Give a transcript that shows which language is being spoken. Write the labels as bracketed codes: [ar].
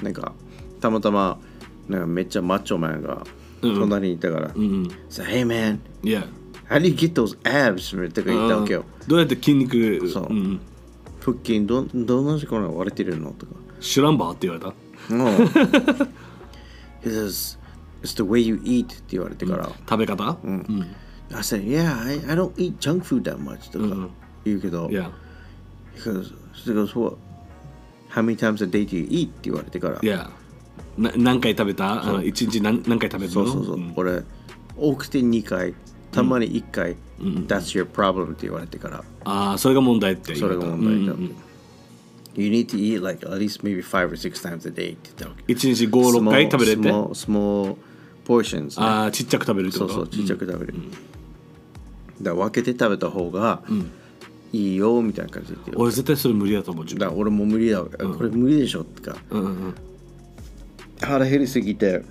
[ja] なんかたまたまなんかめっちゃマッチョマンが隣にいたから、うんうん、 [en] さ、Hey man、 yeah. How do you get those abs? [ja] って言ったわけよ。どうやって筋肉、そう、うん、腹筋どんな時から割れてるのとか。シュランバーって言われた。うん。 [en] He says it's the way you eat [ja] って言われてから、うん、食べ方。うん。 [en] うん、I said, yeah, I don't eat junk food that much. [ja] とか言うけど、 [en] yeah. Because, so what? How many times a day do you eat? [ja] って言われてから、 yeah. 何回食べた？あの、1日何回食べるの？そうそうそう。俺、多くて2回、たまに1回、 [en] That's your problem. [ja] って言われてから、ああ、それが問題って。それが問題だ。 [en] You need to eat like at least maybe 5 or 6 times a day. [ja] って言ったわけ。 1日5、6回食べれて？ [en] Small portions. [ja] ああ、ちっちゃく食べるってこと？そうそう、ちっちゃく食べる。だ、分けて食べた方がいいよみたいな感じで、うん、俺絶対それ無理だと思う。だ、俺も無理だ、うん、これ無理でしょとか、うんうん、腹減りすぎて、